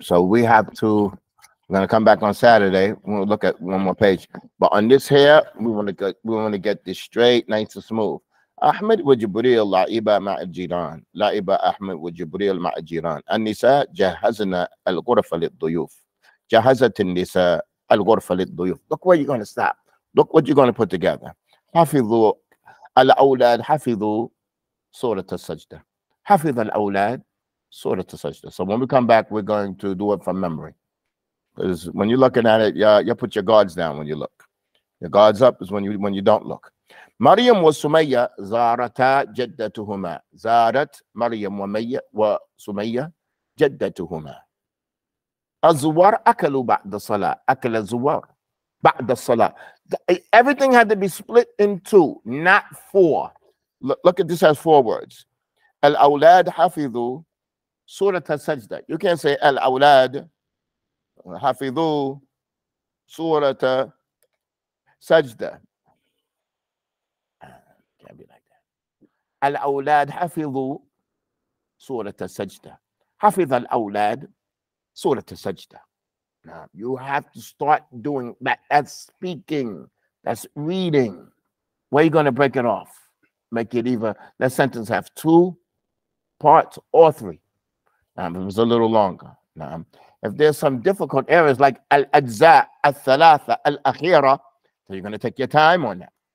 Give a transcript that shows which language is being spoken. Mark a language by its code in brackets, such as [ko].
[en] So we have to, we're gonna come back on Saturday. We'll look at one more page. But on this here, we wanna get this straight, nice and smooth. [ar] أحمد وجبريل لعبا مع الجيران. لعبا أحمد وجبريل مع الجيران. النساء جهزنا الغرفة للضيوف. جهزت النساء الغرفة للضيوف. [en] Look where you're gonna stop. Look what you're gonna put together. [ar] حفظوا الأولاد حفظوا سورة السجدة. حفظ الأولاد سورة السجدة. [en] So when we come back, we're going to do it from memory. Because when you're looking at it, you put your guards down when you look. Your guards up is when you don't look. [ar] مريم وسمية زارتا جدتهما. زارت مريم وسمية جدتهما. الزوار أكلوا بعد الصلاة. أكل الزوار بعد الصلاة. [en] Everything had to be split in two, not four. Look at this as four words. [ar] الأولاد حفظوا سورة السجدة. [en] You can't say [ar] الأولاد حفظوا سورة السجدة. الأولاد حفظوا سورة السجدة. حفظ الأولاد سورة السجدة. [en] Now you have to start doing that. That's speaking. That's reading. Where are you going to break it off? Make it either that sentence have two parts or three. It was a little longer. Now, if there's some difficult areas like [ar] al ajza al thalatha al akhira, [en] so you're going to take your time on that.